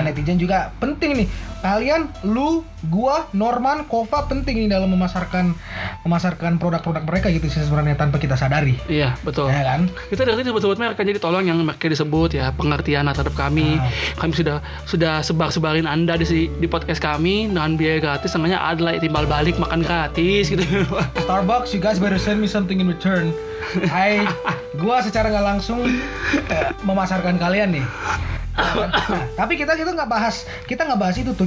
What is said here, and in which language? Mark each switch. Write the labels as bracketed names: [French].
[Indonesian] netizen juga penting nih. Kalian, lu, gua, Norman, Kova penting nih dalam memasarkan produk-produk mereka gitu sih sebenarnya tanpa kita sadari. Iya, betul. Ya kan? Kita dari tadi sebut-sebut mereka, jadi tolong yang mereka disebut ya, pengertian terhadap kami. Kami sudah sebar-sebarin Anda di podcast kami dengan biaya gratis, namanya adalah timbal balik makan gratis gitu. [English] Starbucks, you guys better send me something in return. [Indonesian] Gua secara nggak langsung memasarkan kalian nih. Nah, tapi kita nggak bahas itu tuh.